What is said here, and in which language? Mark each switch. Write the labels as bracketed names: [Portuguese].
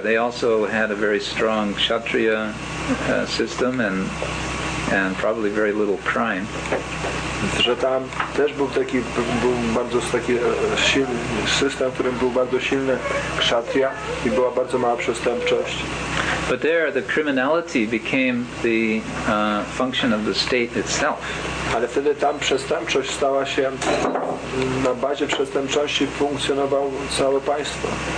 [English] They also had a very strong kshatriya system and probably very little crime. [Polish] Że tam też był taki bardzo taki silny system, w którym był bardzo silny kshatriya i była bardzo mała przestępczość. [English] But there the criminality became the function of the state itself. [Polish] Ale wtedy tam przestępczość stała się na bazie przestępczości funkcjonował całe państwo.